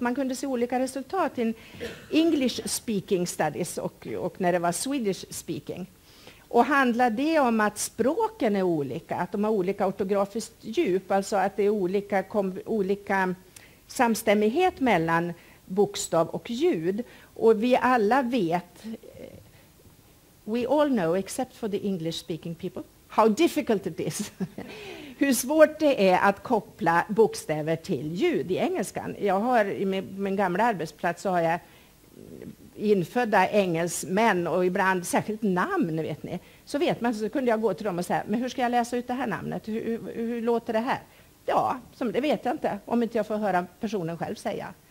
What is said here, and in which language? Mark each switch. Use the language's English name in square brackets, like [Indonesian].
[Swedish] Man kunde se olika resultat i [English] English speaking studies [Swedish] och när det var Swedish speaking. Och handlar det om att språken är olika, att de har olika ortografiskt djup, alltså att det är olika samstämmighet mellan bokstav och ljud. Och vi alla vet, [English] we all know, except for the English speaking people, how difficult it is. [Swedish] Hur svårt det är att koppla bokstäver till ljud i engelskan. Jag har i min gamla arbetsplats så har jag infödda engelsmän och ibland särskilt namn, vet ni. Så vet man, så kunde jag gå till dem och säga, men hur ska jag läsa ut det här namnet? Hur låter det här? Ja, som det vet jag inte, om inte jag får höra personen själv säga.